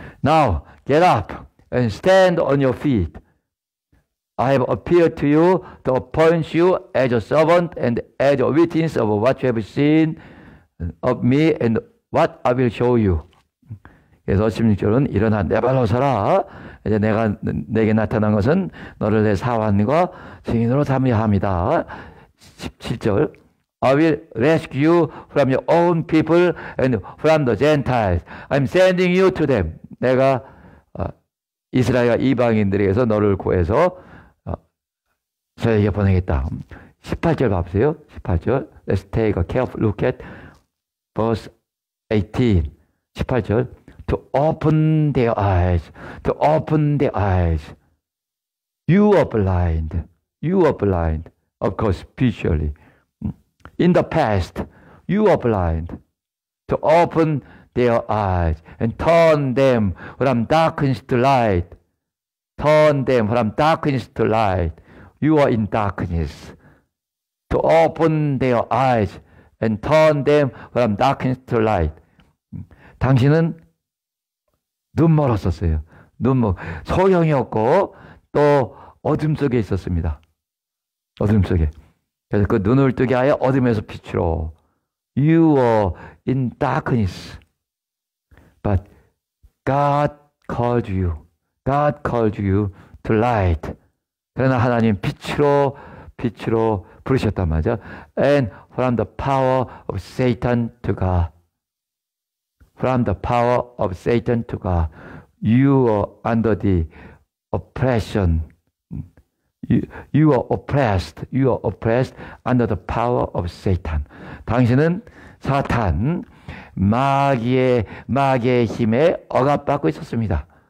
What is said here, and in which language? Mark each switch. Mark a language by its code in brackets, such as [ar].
[en] Now, get up and stand on your feet. I have appeared to you to appoint you as a servant and as a witness of what you have seen of me and what I will show you. [ko] 그래서 16절은 일어나 내 발로 서라. 이제 내게 나타난 것은 너를 내 사환과 증인으로 삼으려 합니다. 17절. [en] I will rescue you from your own people and from the Gentiles. I'm sending you to them. [ko] 내가 이스라엘 이방인들에게서 너를 구해서 저에게 보내겠다. 18절 봐보세요. 18절. [en] Let's take a careful look at verse 18. [ko] 18절. [en] To open their eyes. To open their eyes. You are blind. You are blind. Of course, spiritually. In the past, you are blind to open their eyes and turn them from darkness to light. Turn them from darkness to light. You are in darkness. To open their eyes and turn them from darkness to light. [ko] 당신은 눈 멀었었어요. 소형이었고 또 어둠 속에 있었습니다. 어둠 속에. 그래서 그 눈을 뜨게 하여 어둠에서 빛으로 [en] You are in darkness. But God called you. God called you to light. [ko] 그러나 하나님 빛으로 부르셨단 말이죠. [en] And from the power of Satan to God. From the power of Satan to God. You are under the oppression. You are oppressed under the power of Satan. [ko] 당신은 사탄, 마귀의 힘에 억압받고 있었습니다.